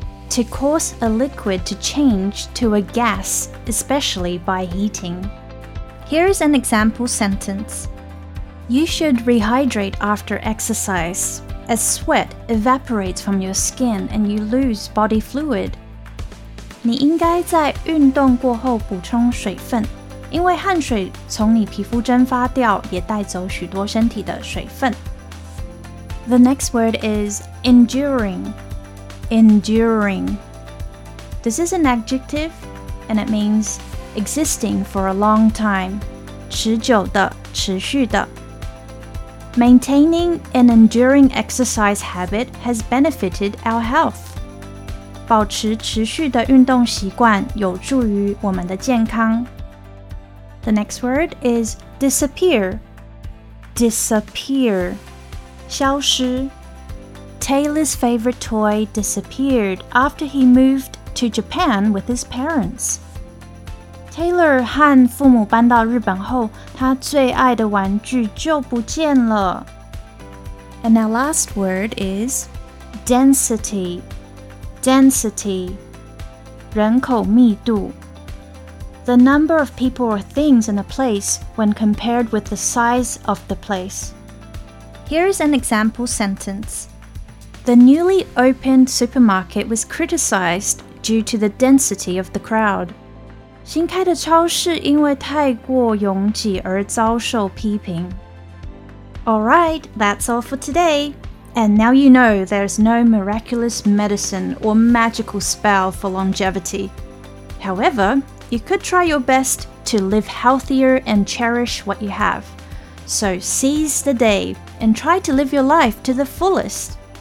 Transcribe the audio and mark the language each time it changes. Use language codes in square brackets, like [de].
[en] To cause a liquid to change to a gas, especially by heating. Here is an example sentence. You should rehydrate after exercise, as sweat evaporates from your skin and you lose body fluid. [zh] 你应该在运动过后补充水分，因为汗水从你皮肤蒸发掉，也带走许多身体的水分。 [en] The next word is enduring. Enduring. This is an adjective, and it means existing for a long time. [zh] 持久的，持续的。 [en] Maintaining an enduring exercise habit has benefited our health. [zh] 保持持续的运动习惯有助于我们的健康。 [en] The next word is disappear. Disappear. [zh] 消失。 [en] Taylor's favorite toy disappeared after he moved to Japan with his parents. [zh] Taylor 和父母搬到日本后，他最爱的玩具就不见了。 [en] And our last word is density. Density. [zh] 人口密度。 [en] The number of people or things in a place when compared with the size of the place. Here is an example sentence. The newly opened supermarket was criticized due to the density of the crowd. [zh] 新开的超市因为太过拥挤而遭受批评。 [en] Alright, that's all for today. And now you know there's no miraculous medicine or magical spell for longevity. However, you could try your best to live healthier and cherish what you have. So seize the day and try to live your life to the fullest.